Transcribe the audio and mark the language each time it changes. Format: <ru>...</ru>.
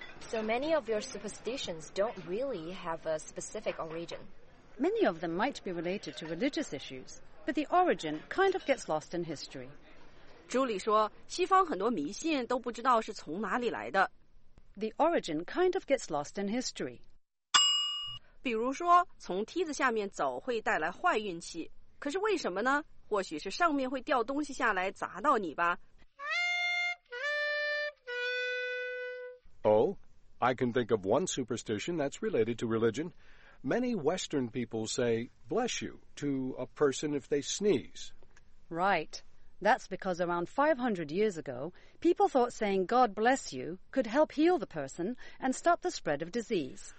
<en>So many of your superstitions don't really have a specific origin. Many of them might be related to religious issues. But the origin kind of gets lost in history.</en> <zh>Julie 说，西方很多迷信都不知道是从哪里来的。</zh> <en>The origin kind of gets lost in history.</en> <zh>比如说，从梯子下面走会带来坏运气，可是为什么呢？或许是上面会掉东西下来砸到你吧。</zh> <en>Oh, I can think of one superstition that's related to religion. Many Western people say, bless you, to a person if they sneeze. Right. That's because around 500 years ago, people thought saying God bless you could help heal the person and stop the spread of disease.</en>